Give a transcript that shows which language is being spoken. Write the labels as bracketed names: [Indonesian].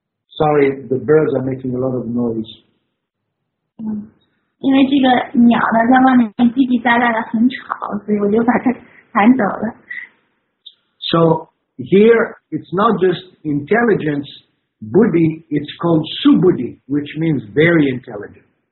[English] Sorry, the birds are making a lot of noise。 [Chinese] 因为这个鸟呢在外面叽叽喳喳的很吵，所以我就把它赶走了。 [English] So here it's not just intelligence. Buddhi, it's called subuddhi, which means very intelligent.